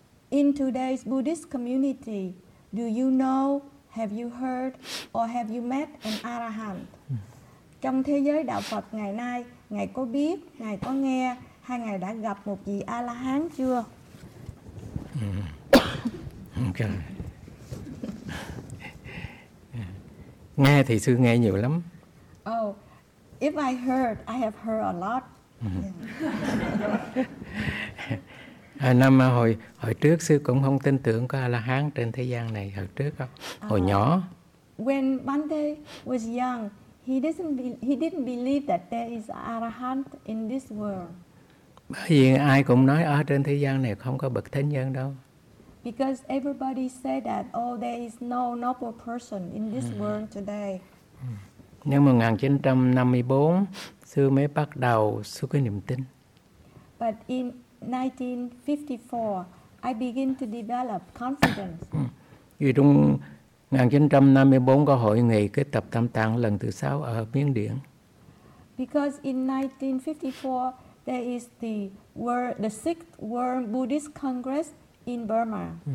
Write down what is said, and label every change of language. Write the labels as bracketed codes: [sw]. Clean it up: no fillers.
[en] In today's Buddhist community, do you know, have you heard, or have you met an Arahant? [vi] Trong thế giới đạo Phật ngày nay, ngài có biết, ngài có nghe, hay ngài đã gặp một vị A-la-hán chưa? [en] Okay. [vi] Nghe thì sư nghe nhiều lắm. [en] Oh, if I heard, I have heard a lot. Yeah. [vi] Năm hồi trước sư cũng không tin tưởng có A-la-hán trên thế gian này hồi trước không? Hồi nhỏ. [en] When Bhante was young, he didn't believe that there is Arahant in this world. [vi] Bởi vì ai cũng nói ở trên thế gian này không có bậc thánh nhân đâu. [en] Because everybody said that, oh, there is no noble person in this world today. [vi] Năm 1954, sư mới bắt đầu xuất cái niềm tin. [en] But in 1954, I begin to develop confidence. [vi] Vì trong 1954 có hội nghị kết tập tam tạng lần thứ 6 ở Miến Điện. [en] Because in 1954 there is the sixth World Buddhist Congress in Burma.